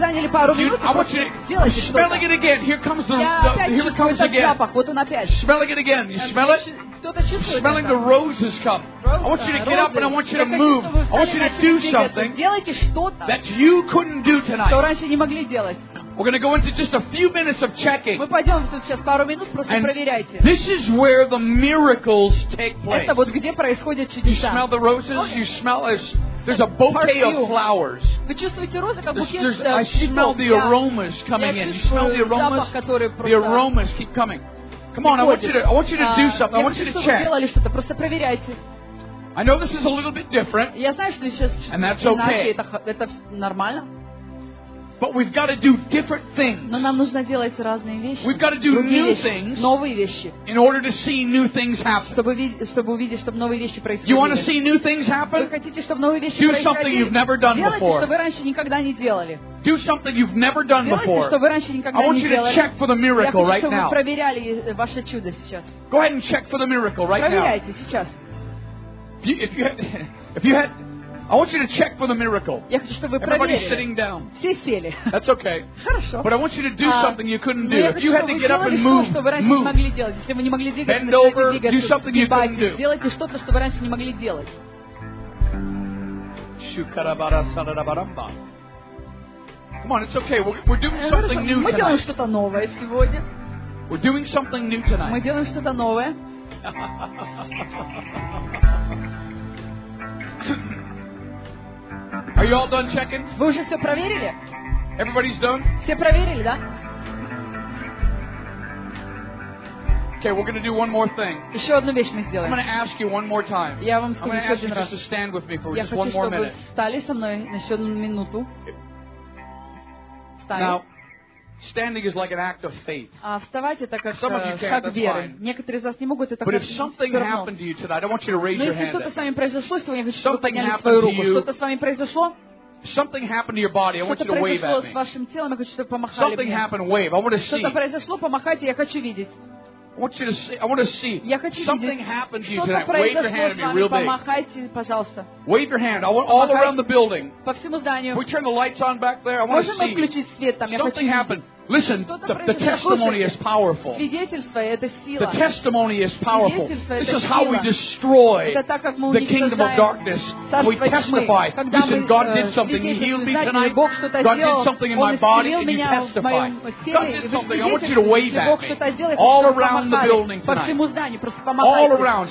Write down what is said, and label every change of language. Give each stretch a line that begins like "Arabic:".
English: I want you to smell it again. Here comes here it comes again. Smelling it again. You smell it? Smelling the roses come. I want you to get up and I want you to move. I want you to do something that you couldn't do tonight. We're going to go into just a few minutes of checking.
Russian: Мы пойдём тут сейчас пару минут, просто проверяйте.
English: This is where the miracles take place.
Russian: Это вот где происходят чудеса.
English: You smell the roses, you smell it. There's a bouquet of flowers.
Russian: Вы чувствуете розы, как букет?
English: I smell the aromas coming in. You smell the aromas? The aromas keep coming. Come on, I want you to do something. I want you to check.
Russian: Делали что-то, просто проверяйте.
English: I know this is a little bit different.
Russian: Я знаю, что сейчас.
English: And that's okay.
Russian: Это нормально.
English: But we've got to do different things.
Russian: Но нам нужно делать разные вещи.
English: We've got to do new things.
Russian: Новые вещи.
English: In order to see new things happen.
Russian: Чтобы увидеть, чтобы новые вещи происходили.
English: You want to see new things happen?
Russian: Вы хотите, чтобы новые вещи происходили?
English: Do something you've never done before.
Russian: Делайте, что вы раньше никогда не делали.
English: Do something you've never done before.
Russian: Делайте, что вы раньше никогда не делали.
English: I want you to check for the miracle right now.
Russian: Я хочу, чтобы вы проверяли ваше чудо сейчас.
English: Go ahead and check for the miracle right now.
Russian: Проверяйте сейчас.
English: If you had I want you to check for the miracle.
Russian: Я хочу, чтобы вы проверили.
English: Everybody's sitting down.
Russian: Все сели.
English: That's okay.
Russian: Хорошо.
English: But I want you to do something you couldn't do.
Russian: Я хочу, чтобы вы делали что-то, что вы раньше не могли делать. Если вы не могли двигаться,
English: bend over, do something you couldn't do.
Russian: Сделайте что-то, что вы раньше не могли делать. Шукарабарасанарабарамба.
English: Come on, it's okay. We're doing something new tonight.
Russian: Мы делаем что-то новое сегодня.
English: We're doing something new tonight.
Russian: Мы делаем что-то новое.
English: Are you all done checking?
Russian: Вы уже все проверили?
English: Everybody's done?
Russian: Все проверили, да?
English: Okay, we're going to do one more thing.
Russian: Еще одну вещь мы сделаем.
English: I'm going to ask you one more time.
Russian: Я вам скажу еще один раз.
English: I'm going to ask you just to stand with me for just one more minute.
Russian: Я хочу, чтобы вы встали со мной на еще одну минуту. поставить.
English: Now, standing is like an act of faith.
Russian: Вставать это как шаг веры. Некоторые из вас не могут это.
English: But if something happened to you tonight, I don't want you to raise your hand.
Russian: Но если что-то с вами произошло, я хочу, чтобы вы подняли свою руку. Что-то с вами произошло?
English: Something happened to your body. I want you to wave at me.
Russian: Что-то произошло с вашим телом, я хочу, чтобы вы помахали.
English: Something happened. Wave. I want to see.
Russian: Что-то произошло, помахайте, я хочу видеть.
English: I want to see.
Russian: Я хочу видеть.
English: Something happened to you tonight. Wave your hand at me real big.
Russian: Помахайте, пожалуйста.
English: Wave your hand. I want all around the building.
Russian: По всему зданию.
English: We turn the lights on back there. I want to see.
Russian: Можем включить свет там? Я хочу.
English: Something happened. Listen, the testimony is powerful.
Russian: Свидетельство это сила.
English: The testimony is powerful.
Russian: Свидетельство это сила.
English: This is how we destroy the kingdom of darkness. We testify. Listen, God did something. He healed me tonight. God did something in my body, and you testify. God did something. I want you to wave at me. All around the building tonight. All around.